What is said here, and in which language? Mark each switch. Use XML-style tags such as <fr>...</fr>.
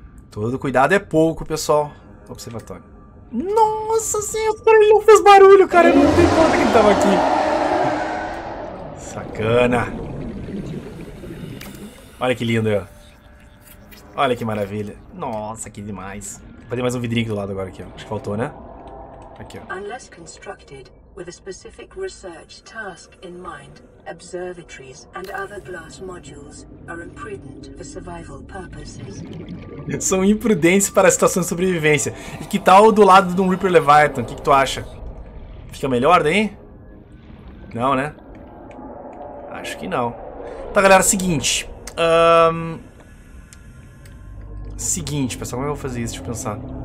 <pt>Todo cuidado é pouco, pessoal. Observatório. Nossa senhora, ele não fez barulho, cara. Eu não dei conta que ele tava aqui. Sacana. Olha que lindo, ó. Olha que maravilha. Nossa, que demais. Vou fazer mais um vidrinho aqui do lado agora, aqui, ó. Acho que faltou, né? Aqui, ó.</pt> <en>Unless constructed with a specific research task in mind, observatories and other glass modules are imprudent for survival purposes.</en> <pt>São imprudentes para a situação de sobrevivência. E que tal do lado de um Reaper Leviathan? O que, que tu acha? Fica melhor daí? Não, né? Acho que não. Tá, galera, seguinte. Seguinte, pessoal, como é que eu vou fazer isso? Deixa eu pensar.</pt>